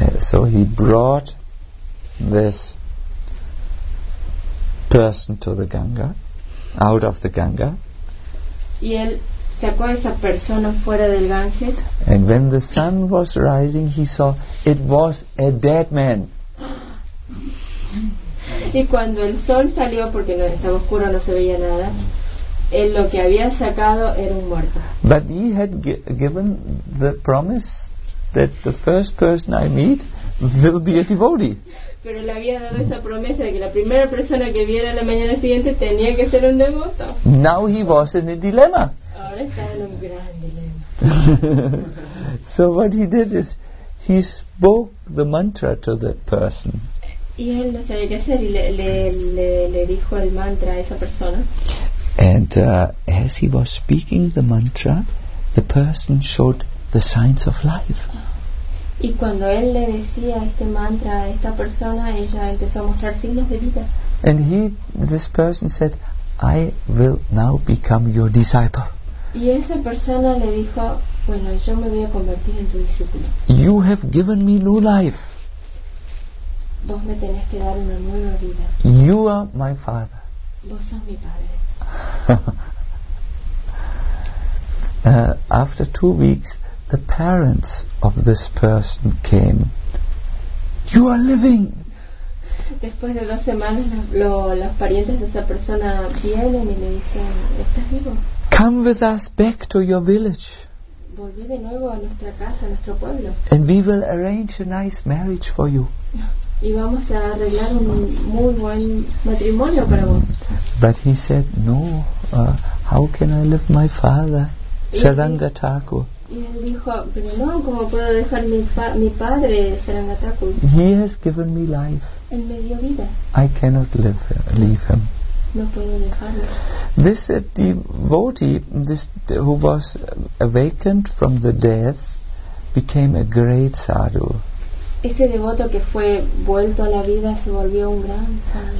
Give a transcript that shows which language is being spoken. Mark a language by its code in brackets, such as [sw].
[en] So he brought this person to the Ganga, out of the Ganga. [es] Y él sacó a esa persona fuera del Ganges. [en] And when the sun was rising, he saw it was a dead man. [es] Y cuando el sol salió, porque no estaba oscuro, no se veía nada, él lo que había sacado era un muerto. [en] But he had given the promise that the first person I meet will be a devotee. [es] Pero le había dado esa promesa de que la primera persona que viera la mañana siguiente tenía que ser un devoto. [en] Now he was in a dilemma. [es] Ahora está en un gran dilema. [en] So what he did is he spoke the mantra to that person. [es] Y él no sabía qué hacer y le dijo el mantra a esa persona. [en] And as he was speaking the mantra, the person showed the signs of life. [es] Y cuando él le decía este mantra a esta persona, ella empezó a mostrar signos de vida. [en] And this person said, I will now become your disciple. [es] Y esa persona le dijo, bueno, yo me voy a convertir en tu discípulo. [en] You have given me new life. [es] Vos me tenés que dar una nueva vida. [en] You are my father. [es] Vos sos mi padre. [en] After 2 weeks, the parents of this person came. You are living. [es] Después de dos semanas, los parientes de esa persona vienen y le dicen, ¿estás vivo? [en] Come with us back to your village. [es] Volví de nuevo a nuestra casa, a nuestro pueblo. [en] And we will arrange a nice marriage for you. [es] Y vamos a arreglar un muy buen matrimonio para vos. [en] But he said, no, how can I leave my father, Sarangataku? [es] Y él dijo, pero no, ¿cómo puedo dejar mi padre, Sarangataku? [en] He has given me life. [es] Él me dio vida. [en] I cannot leave him. [es] No puedo dejarlo. [en] This devotee, this who was awakened from the death, became a great sadhu. [es] Ese devoto que fue vuelto a la vida se volvió un gran sadhu.